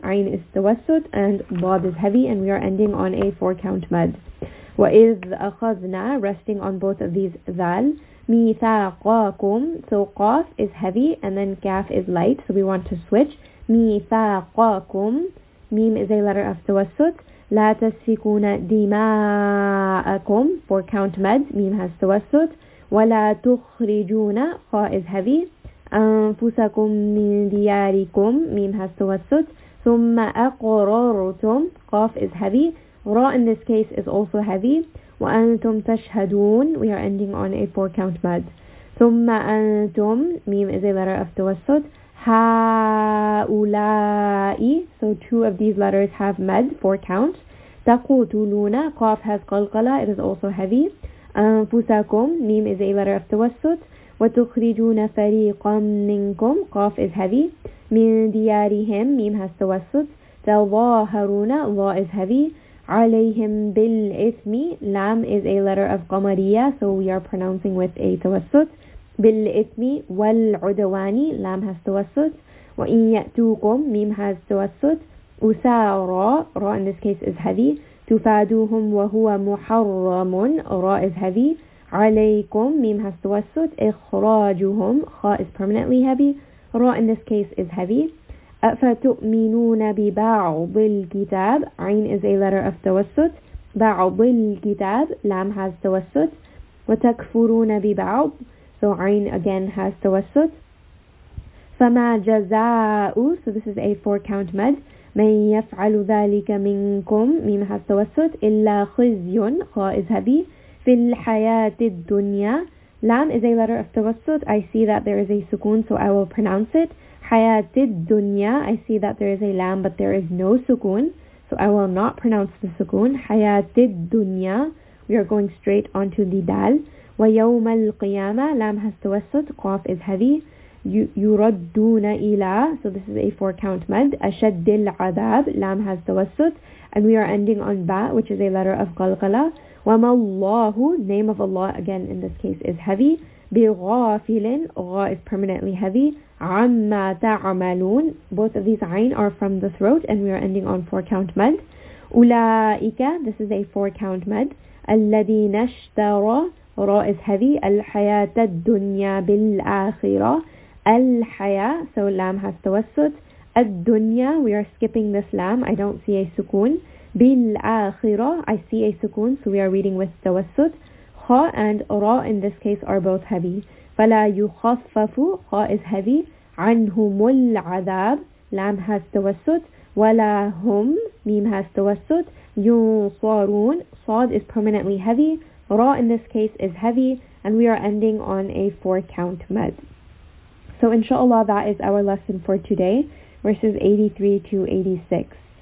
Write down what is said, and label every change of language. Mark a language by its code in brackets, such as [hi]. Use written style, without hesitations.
[en] عَيْن is tawassut and bad is heavy, and we are ending on a four-count mud. [ar] وَإِذْ أَخَذْنَا, [en] resting on both of these ذَال. [ar] مِيثَاقَاكُمْ. [en] So قَاف is heavy and then كَاف is light, so we want to switch. [ar] مِيثَاقَاكُمْ. [en] Mim is a letter of tawassut. [ar] لا تسفكون دماءكم, [en] for count med, ميم has توسط. [ar] ولا تخرجون, خاء [en] is heavy. [ar] أنفسكم من دياركم, ميم has توسط. ثم أقررتم, قاف [en] is heavy. راء in this case is also heavy. [ar] وأنتم تشهدون, [en] we are ending on a four count med. [ar] ثم أنتم, [en] ميم is a letter of توسط. [ar] هؤلاء, [en] so two of these letters have med, four count. [ar] تقتلون, [en] قاف has قلقلة, it is also heavy. [ar] أنفسكم, [en] ميم is a letter of توسط. [ar] وتخرجون فريقا منكم, قاف [en] is heavy. [ar] من ديارهم, ميم [en] has [ar] توسط. تظاهرون, [en] لا is heavy. [ar] عليهم بالإثم, [en] لام is a letter of قمرية, so we are pronouncing with a توسط. [ar] بالإثم والعدوان, لام [en] has [ar] توسط. وإن يأتوكم, ميم [en] has [ar] توسط. أسارا, [en] را in this case is heavy. [ar] تفادوهم وهو محرم, را [en] is heavy. [ar] عليكم, ميم [en] has [ar] توسط. إخراجهم, [en] خا is permanently heavy. را in this case is heavy. [ar] أفتؤمنون ببعض الكتاب, عين [en] is a letter of [ar] توسط. بعض الكتاب, لام has توسط. وتكفرون ببعض, so عين [en] again has [ar] توسط. فما جزاء, [en] so this is a four count med. [ar] من يفعل ذلك منكم, ميم [en] has [ar] توسط. إلا خزي, خاء [en] is heavy. [ar] في الحياة الدنيا, لام [en] is a letter of [ar] توسط. [en] I see that there is a sukun, so I will pronounce it. [ar] حياة الدنيا, [en] I see that there is a lam, but there is no sukun, so I will not pronounce the sukun. [ar] حياة الدنيا, [en] we are going straight onto the dal. [ar] ويوم القيامة, لام [en] has [ar] توسط, قاف [en] is heavy. [ar] يردون إلى, [en] so this is a four count med. [ar] أشد العذاب, [en] لام has توسط, and we are ending on ba, which is a letter of قلقلة. [ar] وما الله, [en] name of Allah again in this case is heavy. [ar] بغافل, [en] غا is permanently heavy. [ar] عما تعملون, [en] both of these عين are from the throat, and we are ending on four count med. [ar] أولئك, [en] this is a four count med. [ar] الذين اشتروا, را [en] is heavy. [ar] الحياة الدنيا بالآخرة, الحياة, [en] so lam has [ar] توسط. الدُّنْيَا, [en] we are skipping this lam, I don't see a sukun. [ar] بِالْآخِرَةِ, [en] I see a sukun, so we are reading with tawassut. خَ and رَ in this case are both heavy. [ar] فَلَا يُخَفَّفُ, خَ [en] is heavy. [ar] عَنْهُمُ الْعَذَابِ, [en] lam has tawassut. [ar] وَلَا هُمْ, [en] mim has tawassut. [ar] يُنْصَرُونَ, [en] صَاد is permanently heavy. رَ in this case is heavy. And we are ending on a four-count mad. So inshallah, that is our lesson for today, verses 83 to 86.